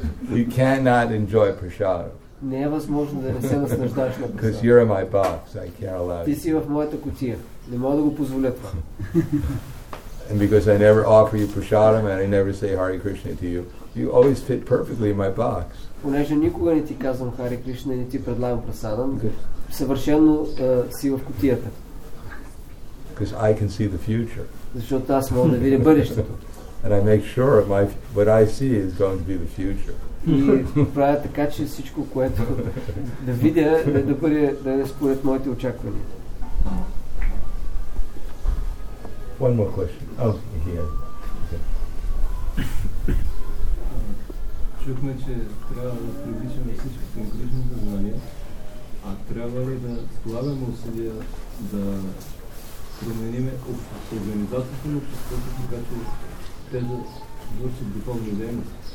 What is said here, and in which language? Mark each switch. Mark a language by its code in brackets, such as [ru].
[en] You cannot enjoy prasadam. [bg] Не е възможно да не се наслаждаш на [en] Because you're in my box, I can't allow [bg] Ти си в моята кутия. Не мога да го позволя това. [en] And because I never offer you prasadam and I never say Hare Krishna to you, you always fit perfectly in my box. [bg] Понеже никога не ти казвам Hare Krishna и не ти предлагам прасадам, съвършено си в кутията. [en] Because I can see the future. [bg] Защото аз мога да видя бъдещето. [en] And I make sure what I see is going to be the future. [bg] И правя така, че всичко, което да видя, да бъде според моите очаквания. [en] One more question. Oh, here. [bg] Чухме, че трябва да привличаме всички към Кришна знания, а трябва ли да слагаме усилия да променим организацията на обществото, така че те да вършат духовни дейности?